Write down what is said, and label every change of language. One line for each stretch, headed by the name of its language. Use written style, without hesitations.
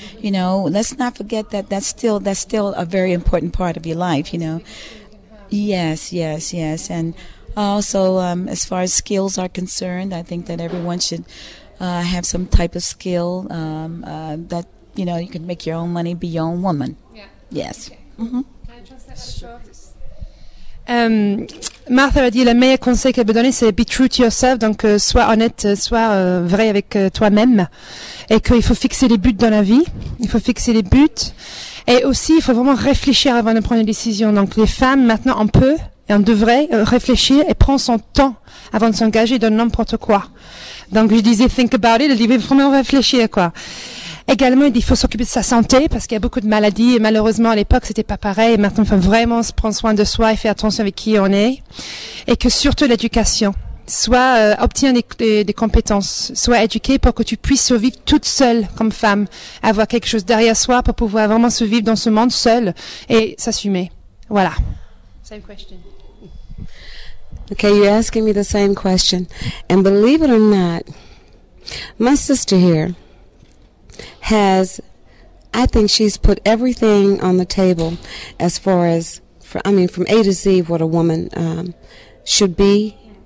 English: You know, let's not forget that that's still a very important part of your life, you know. Yes. And also, as far as skills are concerned, I think that everyone should have some type of skill that, you know, you can make your own money, be your own woman. Yeah. Yes. Okay. Mm-hmm. Can I translate that sure.
French: Martha a dit le meilleur conseil qu'elle peut donner, c'est
English: be true to yourself,
French: donc sois honnête, sois vrai avec toi-même, et qu'il faut fixer les buts dans la vie, il faut fixer les buts, et aussi il faut vraiment réfléchir avant de prendre une décision. Donc les femmes, maintenant on peut et on devrait réfléchir et prendre son temps avant de s'engager dans n'importe quoi. Donc je disais
English: think about it,
French: je disais vraiment réfléchir quoi. Également, il faut s'occuper de sa santé parce qu'il y a beaucoup de maladies et malheureusement à l'époque c'était pas pareil. Et maintenant, il faut vraiment se prendre soin de soi et faire attention avec qui on est. Et que surtout l'éducation, soit obtient des compétences, soit éduquée pour que tu puisses survivre toute seule comme femme, avoir quelque chose derrière soi pour pouvoir vraiment survivre dans ce monde seule et s'assumer. Voilà.
English: Same question. Okay, you're asking me the same question, and believe it or not, my sister here has, I think she's put everything on the table as far as, from A to Z, what a woman should be.